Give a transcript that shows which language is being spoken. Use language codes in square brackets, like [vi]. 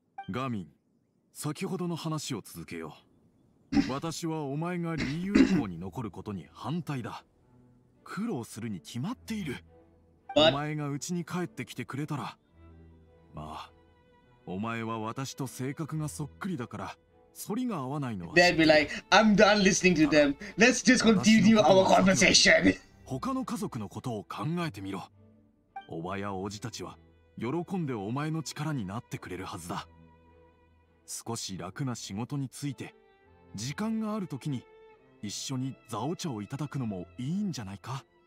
[ja] ガミン、先ほどの話を続けよう。私はお前がリーウェコーに残ることに反対だ。苦労するに決まっている。お前が家に帰ってきてくれたら。まあ、お前は私と性格がそっくりだから、反りが合わないのは。 [en] They'd be like, I'm done listening to them. Let's just continue our conversation. [ja] 他の家族のことを考えてみろ。おばやおじたちは喜んでお前の力になってくれるはずだ。少し楽な仕事について時間があるときに一緒にザオ茶をいただくのもいいんじゃないか。